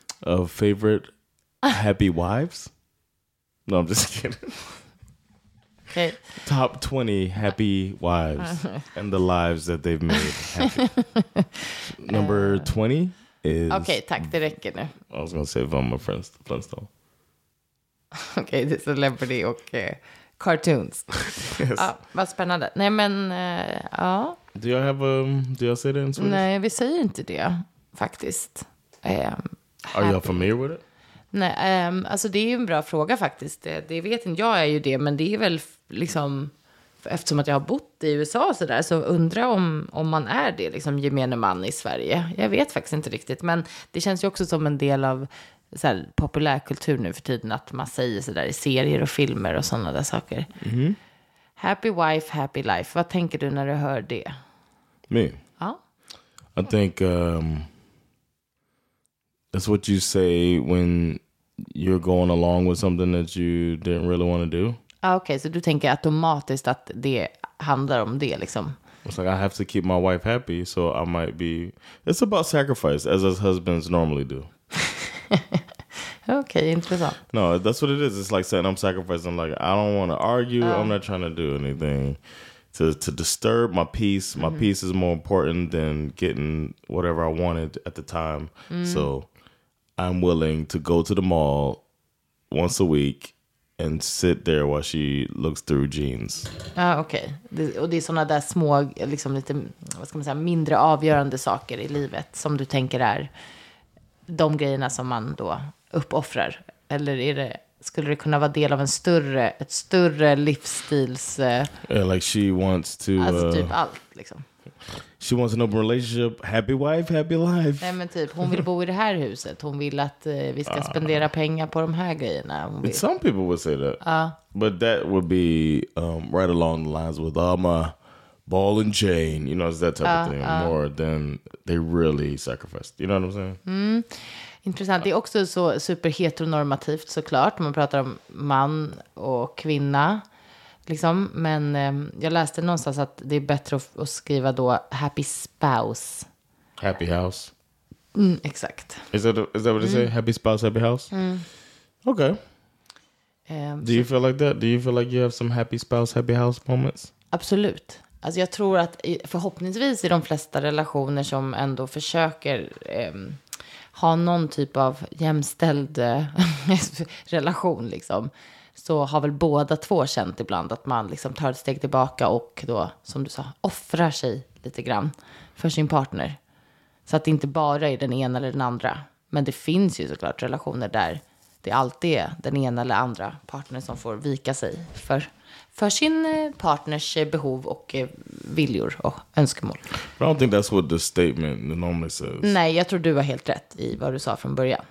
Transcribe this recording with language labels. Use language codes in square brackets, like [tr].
[en] Of favorite happy wives. No, I'm just kidding. Okay. Top 20 happy wives and the lives that they've made happy. Number 20 is... [sv] Okay, tack, det räcker nu. [en] I was going to say Velma Flintstone. Okay, the celebrity och cartoons. Yes. [sv] Vad spännande. Nej, men ja... [en] Do you have do you say that in Swedish? [sv] Nej, vi säger inte det faktiskt. [en] Are you familiar with it? [sv] Nej, alltså det är ju en bra fråga faktiskt. Det vet inte jag är ju det, men det är väl liksom eftersom att jag har bott i USA och så där, så undrar om man är det liksom gemene man i Sverige. Jag vet faktiskt inte riktigt, men det känns ju också som en del av så här, populärkultur nu för tiden att man säger så där i serier och filmer och såna där saker. Mm. [en] Happy wife, happy life. [sv] Vad tänker du när du hör det? [en] Me? [sv] Ja. [en] I think that's what you say when you're going along with something that you didn't really want to do. [sv] Okay, så du tänker automatiskt att det handlar om det liksom. [en] It's like I have to keep my wife happy, so I might be... It's about sacrifice, as husbands normally do. [sv] Okay, intressant. [en] No, that's what it is. It's like saying I'm sacrificing. I'm like, I don't want to argue. I'm not trying to do anything to disturb my peace. My peace is more important than getting whatever I wanted at the time. So I'm willing to go to the mall once a week and sit there while she looks through jeans. Okay. [sv] Och det är såna där små, liksom lite, vad ska man säga, mindre avgörande saker i livet som du tänker är de grejerna som man då... uppoffrar, eller är det, skulle det kunna vara del av en större, ett större livsstils [en] like she wants to [sv] typ allt liksom. [en] She wants an open relationship, happy wife, happy life. [sv] Nej, men typ hon vill bo i det här huset, hon vill att vi ska spendera pengar på de här grejerna. [en] Some people would say that. But that would be right along the lines with my ball and chain, you know, it's that type of thing more than they really sacrificed. You know what I'm saying? [sv] Mm. Intressant. Det är också så superheteronormativt såklart. Man pratar om man och kvinna. Liksom. Men jag läste någonstans att det är bättre att skriva då happy spouse. [en] Happy house. [sv] Mm, exakt. [en] Is that what they say? Happy spouse, happy house? Mm. Okay. Do you feel like that? Do you feel like you have some happy spouse, happy house moments? [sv] Absolut. Alltså jag tror att förhoppningsvis i de flesta relationer som ändå försöker... ha någon typ av jämställd relation liksom, så har väl båda två känt ibland att man liksom tar ett steg tillbaka och då, som du sa, offrar sig lite grann för sin partner. Så att det inte bara är den ena eller den andra. Men det finns ju såklart relationer där det alltid är den ena eller andra partnern som får vika sig för sin partners behov och viljor och önskemål. [en] I don't think that's what the statement normally says. [sv] Nej, jag tror du har helt rätt i vad du sa från början.